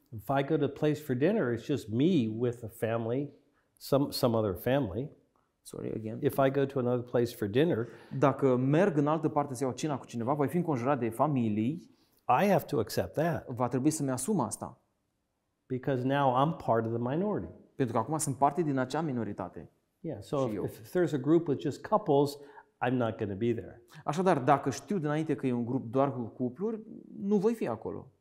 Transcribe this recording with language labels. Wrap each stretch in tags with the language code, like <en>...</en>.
<en>If I go to a place for dinner, it's just me with a family, some other family. Sorry again. If I go to another place for dinner,</en> <ro>dacă merg în altă parte să iau cina cu cineva, voi fi înconjurat de familii.</ro> <en>I have to accept that.</en> <ro>Va trebui să-mi asum asta.</ro> <en>Because now I'm part of the minority.</en> <ro>Pentru că acum sunt parte din acea minoritate.</ro> <en>Yeah, so if there's a group with just couples, I'm not going to be there.</en> <ro>Așadar, dacă știu dinainte că e un grup doar cu cupluri, nu voi fi acolo.</ro>